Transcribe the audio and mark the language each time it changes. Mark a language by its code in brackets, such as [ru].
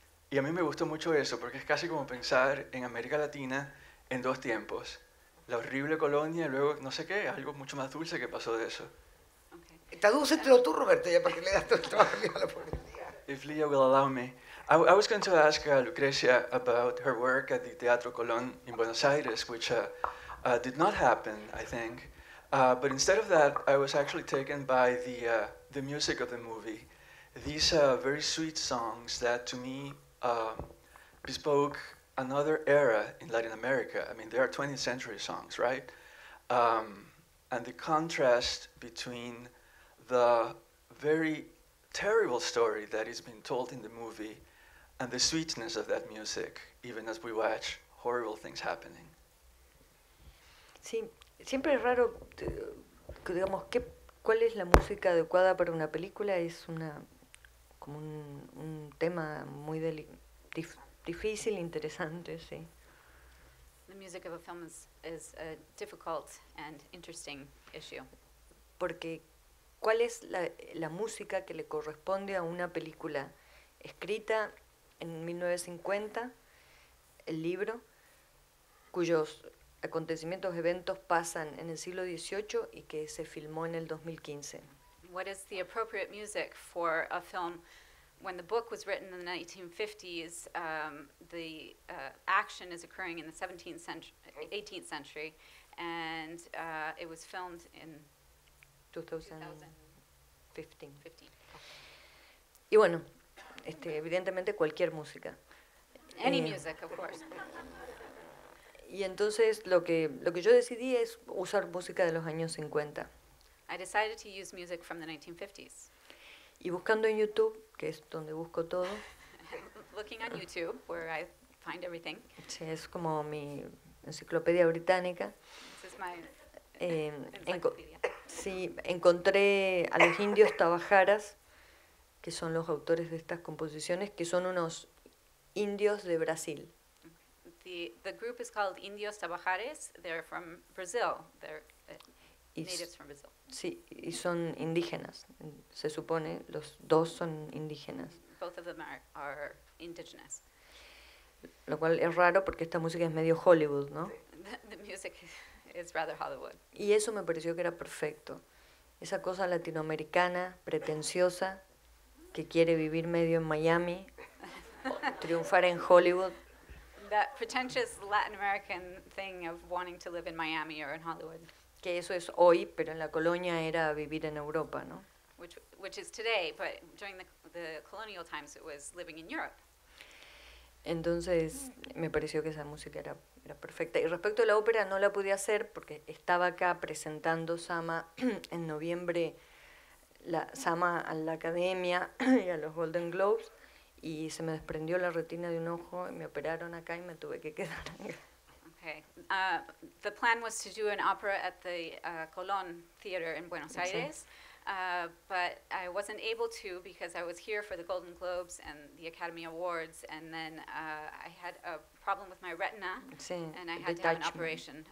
[es] Y a mí me gustó mucho eso, porque es casi como pensar en América Latina en dos tiempos. La horrible colonia y luego, no sé qué, algo mucho más dulce que pasó de eso. [en] Okay. [es] Está dulce, pero tú, Roberto, ya, porque le das todo el trabajo a la policía. [en] If Lia will allow me. I was going to ask Lucrecia about her work at the Teatro Colón in Buenos Aires, which did not happen, I think. But instead of that, I was actually taken by the music of the movie. These very sweet songs that, to me, bespoke another era in Latin America. I mean, they are 20th century songs, right? And the contrast between the very terrible story that is being told in the movie and the sweetness of that music, even as we watch horrible things happening. [es] Sí, siempre es raro, digamos, ¿cuál es la música adecuada para una película? Es como un tema muy difícil, interesante, sí. [en] The music of a film is difficult and interesting issue. [es] Porque ¿cuál es la música que le corresponde a una película escrita en 1950, el libro, cuyos acontecimientos, eventos pasan en el siglo XVIII y que se filmó en el 2015? [en] What is the appropriate music for a film when the book was written in the 1950s, the action is occurring in the 18th century, and it was filmed in 2015. [es] Y bueno, evidentemente cualquier música. [en] Any music, of course. [es] Y entonces lo que yo decidí es usar música de los años 50. [en] I decided to use music from the 1950s. [es] Y buscando en YouTube, que es donde busco todo. [en] Looking on YouTube, where I find everything. [es] Sí, es como mi enciclopedia británica. [en] This is my encyclopedia. [es] Sí, encontré a los indios Tabajaras, que son los autores de estas composiciones, que son unos indios de Brasil. [en] The group is called Indios Tabajares. They're from Brazil. They're natives from Brazil. [es] Sí, y son indígenas. Se supone los dos son indígenas. [en] Both of them are indigenous. [es] Lo cual es raro porque esta música es medio Hollywood, ¿no? [en] The music is rather Hollywood. [es] Y eso me pareció que era perfecto. Esa cosa latinoamericana, pretenciosa, que quiere vivir medio en Miami, triunfar en Hollywood. [en] That pretentious Latin American thing of wanting to live in Miami or in Hollywood. [es] Que eso es hoy, pero en la colonia era vivir en Europa, ¿no? [en] Which is today, but during the colonial times it was living in Europe. [es] Entonces, me pareció que esa música era perfecta. Y respecto a la ópera, no la pude hacer porque estaba acá presentando Sama en noviembre, la Sama a la Academia y a los Golden Globes, y se me desprendió la retina de un ojo, y me operaron acá y me tuve que quedar acá. [en] The plan was to do an opera at the Colón Theater in Buenos Aires, but I wasn't able to because I was here for the Golden Globes and the Academy Awards, and then I had a problem with my retina, and I had to have an operation.